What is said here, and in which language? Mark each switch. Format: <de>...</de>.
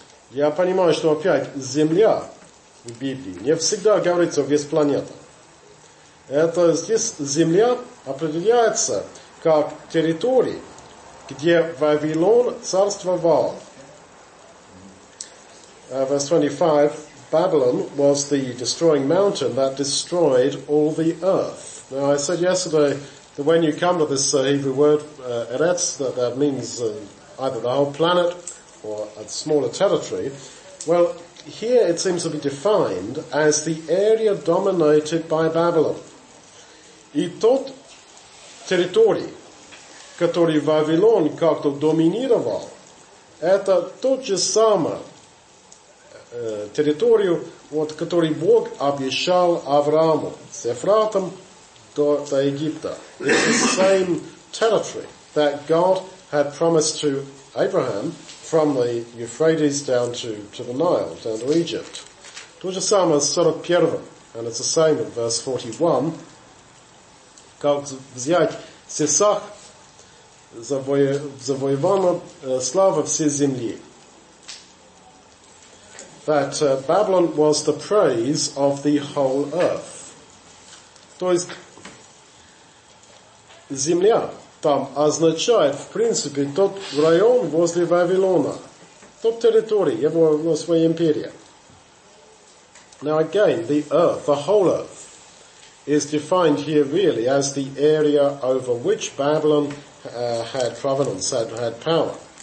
<ru>Я понимаю, что опять земля в Библии не всегда говорится весь планета. Это здесь земля определяется как территория, где Вавилон царствовал.</ru> <en>Verse 25, Babylon was the destroying mountain that destroyed all the earth. Now I said yesterday that when you come to this Hebrew word, Eretz, that means either the whole planet or a smaller territory. Well, here it seems to be defined as the area dominated by Babylon.</en> <ru>И тот территорий, который Вавилон как-то доминировал, это тот же самый территорию, вот, который Бог обещал Аврааму с Ефратом до Египта.</ru> <en>It's the same territory that God had promised to Abraham from the Euphrates down to the Nile, down to Egypt.</en> <ru>То же самое с 41-м,</ru> <en>and it's the same in verse 41,</en> <ru>как взять Сесах, завоевана слава всей земли.</ru> <en>That Babylon was the praise of the whole earth.</en> <ru>То есть, земля там означает, в принципе, тот район возле Вавилона, тот территорий, его, ну, своей империи.</ru> <en>Now again, the earth, the whole earth, is defined here really as the area over which Babylon had provenance, had power.</en>